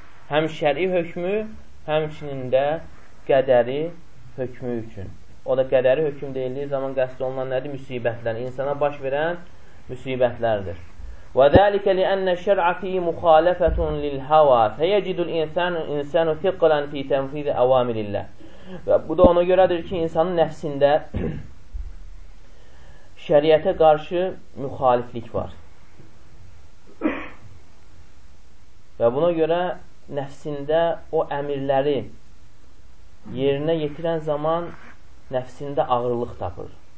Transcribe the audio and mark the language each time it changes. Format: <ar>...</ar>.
<az>Həm şəri hökmü, həmçinin də qədəri hökmü üçün. O da qədəri hökm deyildiyi zaman qəsd olunan nədir? Müsibətlər, insana baş verən müsibətlərdir.</az> <ar>وذلك لان الشرع فيه مخالفه للهوى فيجد الانسان ثقلا في تنفيذ اوامر الله.</ar> <az>Bu da ona görədir ki insanın nəfsində şəriətə qarşı müxaliflik var. Və buna görə nəfsində o əmrləri yerinə yetirən zaman nəfsində ağırlıq tapır.</az>